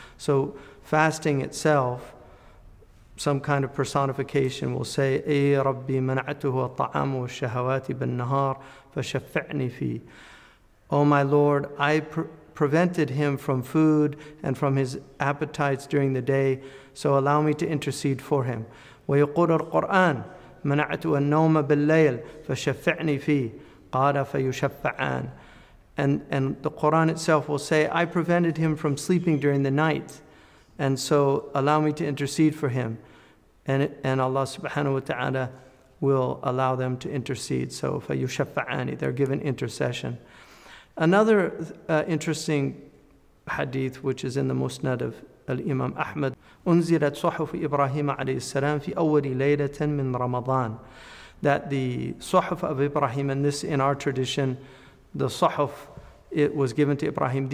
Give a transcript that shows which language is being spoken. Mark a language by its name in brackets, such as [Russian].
[English] So fasting itself, some kind of personification will say, [Arabic] أي ربي منعته الطعام والشهوات بالنهار فشفعني فيه. [English] Oh my Lord, I prevented him from food and from his appetites during the day, so allow me to intercede for him. [Arabic] ويقول القرآن منعته النوم بالليل فشفعني فيه قال فيشفعان. [English] And the Quran itself will say, I prevented him from sleeping during the night, and so allow me to intercede for him. And Allah subhanahu wa ta'ala will allow them to intercede. So [Arabic] فَيُشَفَّعَانِ, [English] they're given intercession. Another interesting hadith, which is in the Musnad of Al-Imam Ahmad, [Arabic] أُنزِلَتْ صُحُفُ إِبْرَاهِيمَ عَلَيْهِ السَّلَامِ فِي أَوَّلِ لَيْلَةٍ مِّن رَمَضَانِ, [English] that the صُحُف of Ibrahim, and this in our tradition, the Suhuf, it was given to Ibrahim.